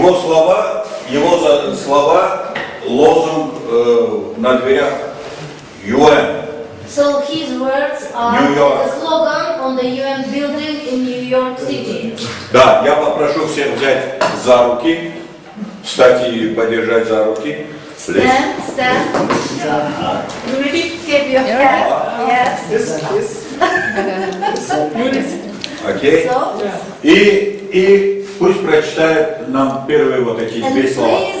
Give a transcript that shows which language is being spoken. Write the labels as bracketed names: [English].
[Russian] Его слова лозунг на дверях UN. [English] So his words are the slogan on the UN building in New York City. [Russian] Да, я попрошу всех взять за руки. Кстати, подержать за руки. [English] Stand. Окей. [Russian] И пусть прочитает нам первые вот эти две слова.